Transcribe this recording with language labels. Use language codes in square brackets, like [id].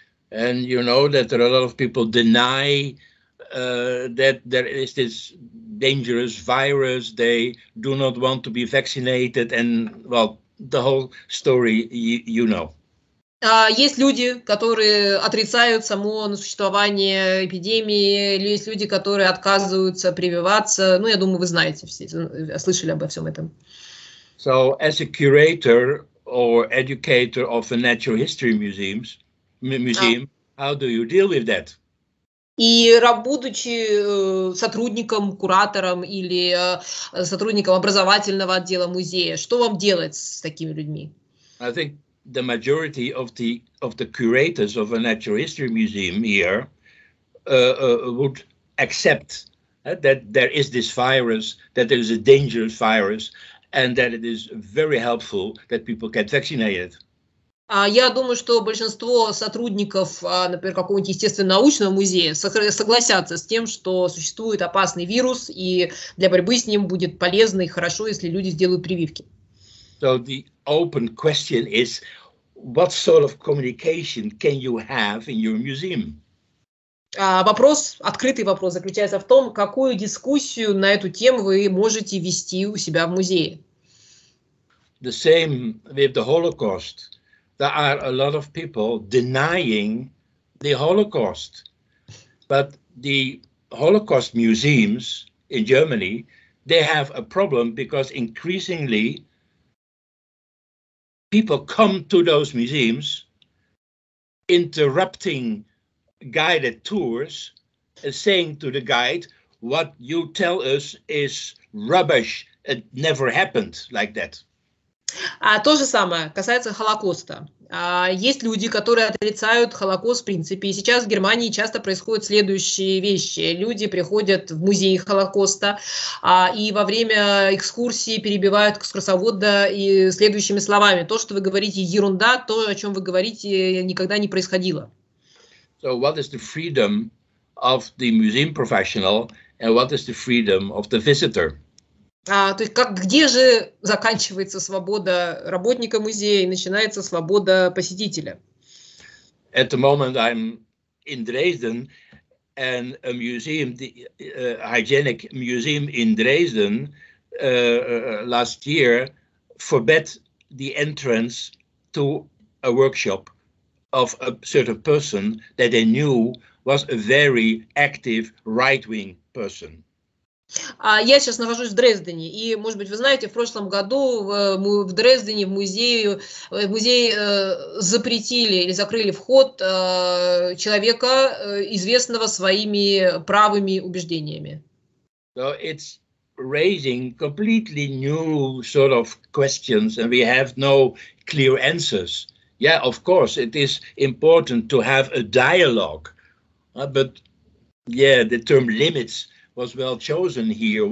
[en] And you know that there are a lot of people deny that there is this dangerous virus, they do not want to be vaccinated, and well, the whole story you know. [ru] Есть люди, которые отрицают само существование эпидемии, или есть люди, которые отказываются прививаться. Ну, я думаю, вы знаете, все, слышали обо всем этом. [en] So, as a curator or educator of a natural history museum, how do you deal with that? [ru] И будучи сотрудником, куратором или сотрудником образовательного отдела музея, что вам делать с такими людьми? [en] I think the majority of the curators of a natural history museum here would accept that there is this virus, that there is a dangerous virus, and that it is very helpful that people get vaccinated. [ru] Я думаю, что большинство сотрудников, например, какого-нибудь естественно-научного музея согласятся с тем, что существует опасный вирус, и для борьбы с ним будет полезно и хорошо, если люди сделают прививки. [en] So the open question is, what sort of communication can you have in your museum? [ru] Вопрос, открытый вопрос заключается в том, какую дискуссию на эту тему вы можете вести у себя в музее. [en] The same with the Holocaust. There are a lot of people denying the Holocaust. But the Holocaust museums in Germany, they have a problem because increasingly people come to those museums, interrupting guided tours, and saying to the guide, what you tell us is rubbish, it never happened like that. [ru] То же самое касается Холокоста. Есть люди, которые отрицают Холокост в принципе. И сейчас в Германии часто происходят следующие вещи. Люди приходят в музей Холокоста и во время экскурсии перебивают экскурсовода и следующими словами. То, что вы говорите, ерунда, то, о чем вы говорите, никогда не происходило. [en] So what is the freedom of the museum professional and what is the freedom of the visitor? [ru] То есть как, где же заканчивается свобода работника музея и начинается свобода посетителя? [en] At the moment I'm in Dresden, and a museum, hygienic museum in Dresden, last year forbid the entrance to a workshop of a certain person that they knew was a very active right-wing person. [ru] Я сейчас нахожусь в Дрездене, и, может быть, вы знаете, в прошлом году в Дрездене в музей запретили или закрыли вход человека, известного своими правыми убеждениями. [en] So it's raising completely new sort of questions, and we have no clear answers. Yeah, of course, it is important to have a dialogue, but yeah, the term limits was well chosen here.